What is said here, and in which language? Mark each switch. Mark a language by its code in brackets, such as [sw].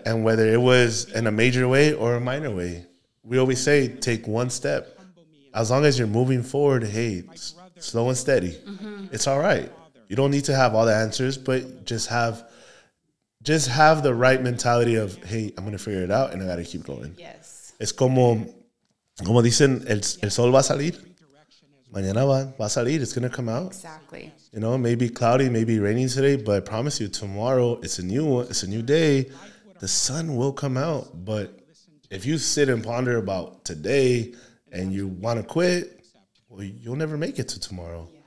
[en] And whether it was in a major way or a minor way, we always say take one step. As long as you're moving forward, hey, slow and steady. Mm-hmm. It's all right. You don't need to have all the answers, but just have the right mentality of, hey, I'm going to figure it out and I got to keep going. Yes. [es] Es como dicen, el sol va a salir. Mañana va a salir. [en] It's going to come out. Exactly. You know, maybe cloudy, maybe raining today, but I promise you tomorrow it's a new day. The sun will come out. But if you sit and ponder about today and you want to quit, well, you'll never make it to tomorrow.